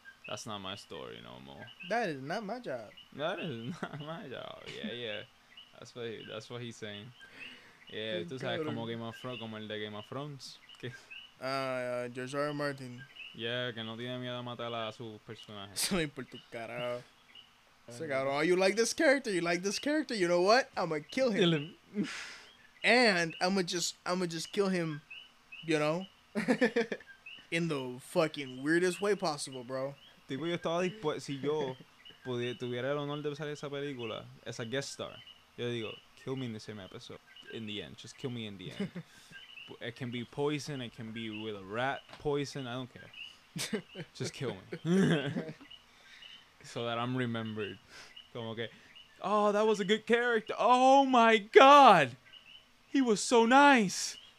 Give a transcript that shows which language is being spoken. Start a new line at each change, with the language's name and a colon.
English: That's not my story no more. That is not my job. That is not my job, yeah. That's what he's saying.
Spanish: Tú sabes, como Game of Thrones, como el de Game of Thrones. George R. R. Martin. Que no tiene miedo a matar a sus personajes. Eso me importa un carajo. Ese cabrón,
English: you like this character, you know what? I'ma kill him. And I'ma just kill him, you know? In the fucking weirdest way possible, bro.
Spanish: Tipo, yo estaba dispuesto, si yo tuviera el honor de usar esa película, esa guest star, yo digo,
English: kill me
Spanish: en ese episodio.
English: In the end, just kill me in the end. It can be poison, it can be with a rat poison, I don't care. Just kill me. So that I'm remembered.
Spanish: Como que,
English: oh, that was a good character. Oh my god! He was so nice!